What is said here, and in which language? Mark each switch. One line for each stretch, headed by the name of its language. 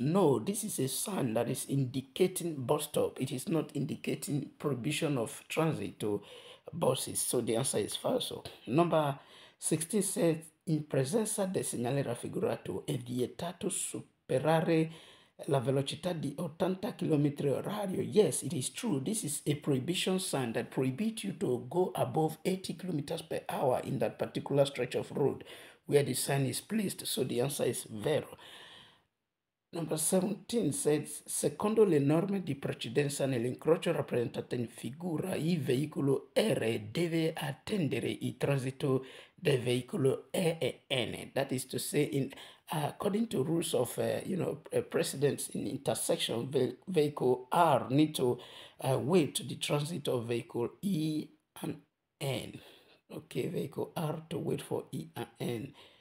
English: No, this is a sign that is indicating bus stop. It is not indicating prohibition of transit to buses. So the answer is falso. Number 16 says,
Italian: in presenza del segnale raffigurato è vietato superare la velocità di 80 km orario.
English: Yes, it is true. This is a prohibition sign that prohibits you to go above 80 km per hour in that particular stretch of road where the sign is placed. So the answer is vero. Number 17 says,
Italian: secondo le norme di precedenza nell'incrocio rappresentato in figura, il veicolo R deve attendere il transito del veicolo E e N.
English: That is to say, according to rules of precedence in intersection, vehicle R need to wait to the transit of vehicle E and N. Okay, vehicle R to wait for E and N.